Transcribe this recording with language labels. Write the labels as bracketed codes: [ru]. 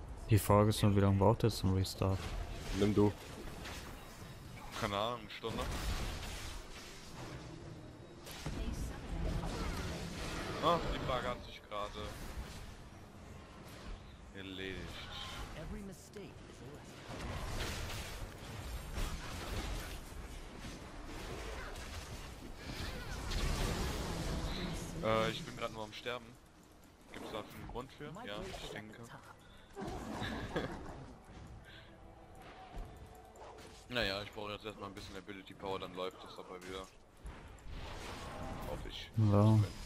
[de] Die Frage ist nur, wie lange braucht er zum Restart? Nimm du. Keine Ahnung, eine Stunde. Ach, die Frage hat sich gerade erledigt. [en] Every mistake is a lesson. [de] Ich bin gerade nur am Sterben. Gibt's da einen Grund für? Ja, ich denke. Naja, ich brauche jetzt erstmal ein bisschen Ability Power, dann läuft das aber wieder. Hoffe ich. Wow.